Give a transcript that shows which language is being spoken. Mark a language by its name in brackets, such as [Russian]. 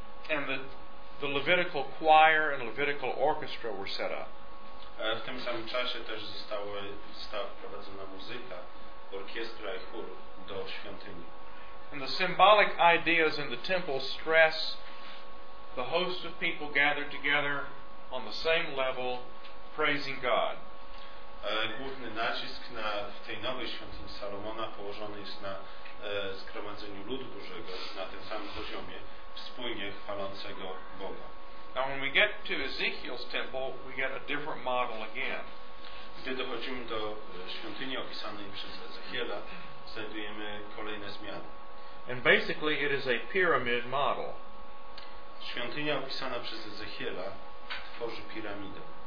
[English] And the Levitical choir and Levitical orchestra were set up. [Polish] W tym samym czasie też została wprowadzona muzyka, orkiestra i chór do świątyni. [English] And the symbolic ideas in the temple stress the host of people gathered together on the same level praising God. [Polish] Główny nacisk w tej nowej świątyni Salomona położony jest na zgromadzeniu ludu Bożego na tym samym poziomie wspólnie chwalącego Boga. [English] Now when we get to Ezekiel's temple, we get a different model again. [Polish] Gdy dochodzimy do świątyni opisanej przez Ezechiela, znajdujemy kolejne zmiany. [English] And basically it is a pyramid model. [Polish] Świątynia opisana przez Ezechiela tworzy piramidę.